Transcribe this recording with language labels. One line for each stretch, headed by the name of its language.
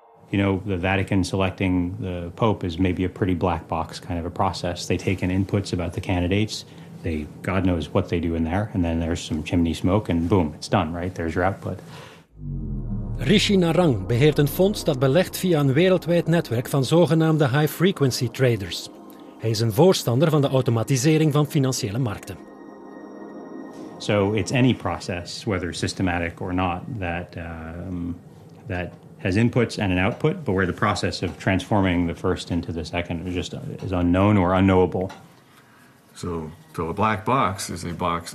English: You know, the Vatican selecting the Pope is maybe a pretty black box kind of a process. They take in inputs about the candidates. They, God knows what they do in there, and then there's some chimney smoke, and boom, it's done, right? There's your output.
Dutch: Rishi Narang beheert een fonds dat belegt via een wereldwijd netwerk van zogenaamde high-frequency traders. Hij is een voorstander van de automatisering van financiële markten.
English: So it's any process, whether systematic or not, that has inputs and an output, but where the process of transforming the first into the second is unknown or unknowable. So a black box is a box.